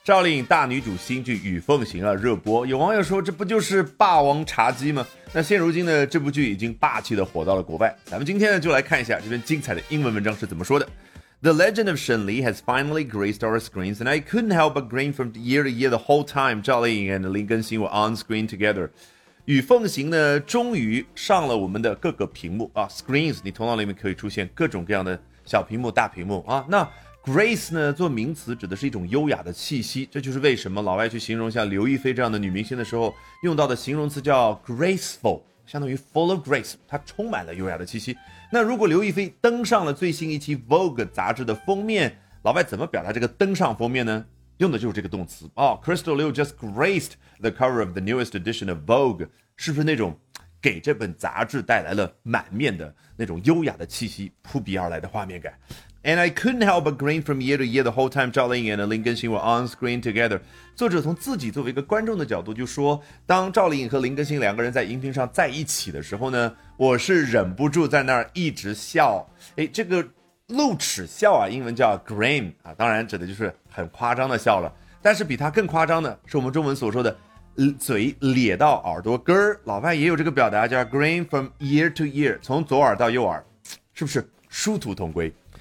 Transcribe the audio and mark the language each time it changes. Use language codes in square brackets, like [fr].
[zh] 赵丽颖大女主新剧《与凤行》啊热播，有网友说这不就是霸王茶姬吗？那现如今呢，这部剧已经霸气的火到了国外。咱们今天呢，就来看一下这篇精彩的英文文章是怎么说的。 [en] The Legend of Shen Li has finally graced our screens, and I couldn't help but grin from year to year the whole time. 赵丽颖 and 林更新 were on screen together. [zh] 与凤行呢终于上了我们的各个屏幕啊 screens, 你头脑里面可以出现各种各样的小屏幕大屏幕啊。那 grace 呢做名词指的是一种优雅的气息，这就是为什么老外去形容像刘亦菲这样的女明星的时候用到的形容词叫 graceful, 相当于 [en] full of grace, [zh] 它充满了优雅的气息。那如果刘亦菲登上了最新一期 Vogue 杂志的封面，老外怎么表达这个登上封面呢？用的就是这个动词啊、 [en] oh, ,Crystal Liu just graced the cover of the newest edition of Vogue, [zh] 是不是那种给这本杂志带来了满面的那种优雅的气息扑鼻而来的画面感。 [en] And I couldn't help but grin from year to year the whole time 赵丽颖 and 林更新 were on screen together. [zh] 作者从自己作为一个观众的角度就说，当赵丽颖和林更新两个人在荧屏上在一起的时候呢，我是忍不住在那儿一直笑。诶，这个露齿笑啊，英文叫 grin 啊，当然指的就是很夸张的笑了。但是比它更夸张的是我们中文所说的嘴咧到耳朵根儿，老外也有这个表达叫 [en] grin from ear to ear, [zh] 从左耳到右耳，是不是殊途同归？